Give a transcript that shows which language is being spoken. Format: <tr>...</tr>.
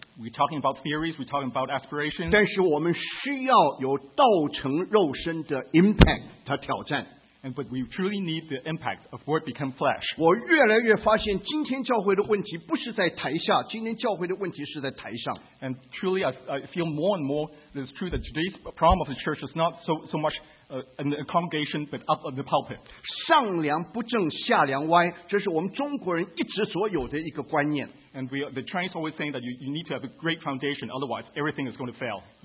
<en>We're talking about theories, we're talking about aspirations.</en> <zh>但是我们需要有道成肉身的 impact 的挑战。</zh> <en>And but we truly need the impact of word become flesh.</en> <zh>我越来越发现今天教会的问题不是在台下，今天教会的问题是在台上。</zh> <en>And truly I feel more and more that it's true that today's problem of the church is not so much in the congregation but up on the pulpit.</en> <zh>上梁不正下梁歪，这是我们中国人一直所有的一个观念。</zh> <en>And the Chinese always saying that you need to have a great foundation, otherwise everything is going to fail.</en>